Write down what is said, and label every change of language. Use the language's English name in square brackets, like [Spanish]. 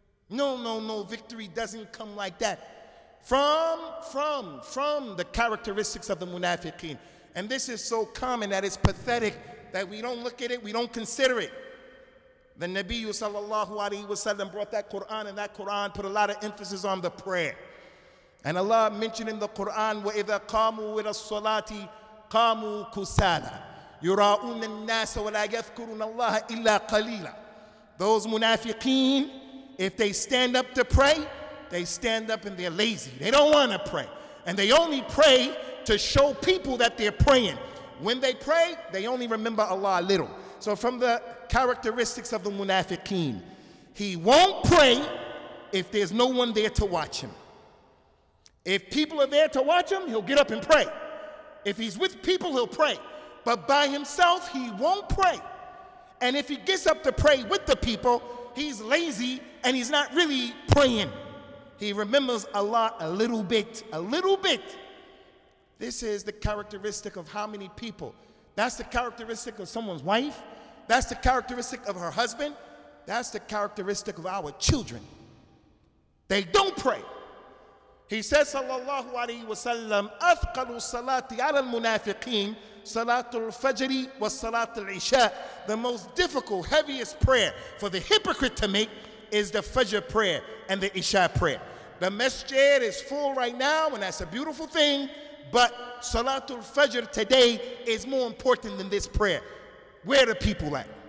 [English] No, victory doesn't come like that. From the characteristics of the munafiqeen. And this is so common that it's pathetic that we don't look at it, we don't consider it. The Nabi sallallahu alayhi wa sallam brought that Quran, and that Quran put a lot of emphasis on the prayer. And Allah mentioned in the Quran, [Arabic] وَإِذَا قَامُوا إِلَى الصَّلَاةِ قاموا كسالى يراؤون الناس ولا يذكرون الله إلا قليلا. [English] Those munafiqeen, if they stand up to pray, they stand up and they're lazy. They don't want to pray. And they only pray to show people that they're praying. When they pray, they only remember Allah a little. So from the characteristics of the munafiqeen, he won't pray if there's no one there to watch him. If people are there to watch him, he'll get up and pray. If he's with people, he'll pray. But by himself, he won't pray. And if he gets up to pray with the people, he's lazy and he's not really praying. He remembers Allah a little bit, a little bit. This is the characteristic of how many people. That's the characteristic of someone's wife. That's the characteristic of her husband. That's the characteristic of our children. They don't pray. He says, [Arabic] sallallahu alayhi wa sallam, أَثْقَلُ الصَّلَاةِ عَلَى الْمُنَافِقِينَ صَلَاةُ الْفَجْرِ وَصَلَاةُ الْعِشَاءِ. [English] The most difficult, heaviest prayer for the hypocrite to make is the Fajr prayer and the Isha prayer. The masjid is full right now, and that's a beautiful thing, but Salatul Fajr today is more important than this prayer. Where are the people at?